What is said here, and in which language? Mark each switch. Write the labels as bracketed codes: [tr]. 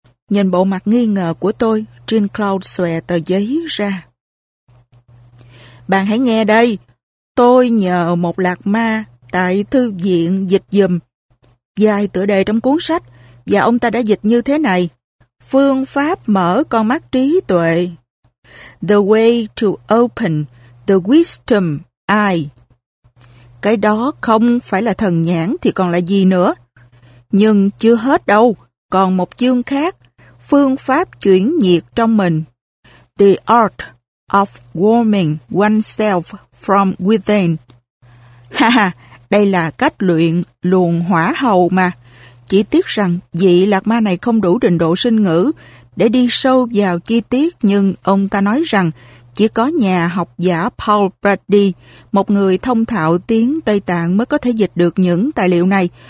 [vi] Nhìn bộ mặt nghi ngờ của tôi, Jean Cloud xòe tờ giấy ra. Bạn hãy nghe đây, tôi nhờ một lạc ma tại thư viện dịch giùm vài tựa đề trong cuốn sách, và ông ta đã dịch như thế này: Phương pháp mở con mắt trí tuệ. [en] The way to open the wisdom eye. [vi] Cái đó không phải là thần nhãn thì còn là gì nữa? Nhưng chưa hết đâu, còn một chương khác: phương pháp chuyển nhiệt trong mình. [en] The art of warming oneself from within. [vi] Ha ha, đây là cách luyện luồng hỏa hầu mà. Chỉ tiếc rằng vị lạc ma này không đủ trình độ sinh ngữ để đi sâu vào chi tiết, nhưng ông ta nói rằng chỉ có nhà học giả Paul Brady, một người thông thạo tiếng Tây Tạng, mới có thể dịch được những tài liệu này.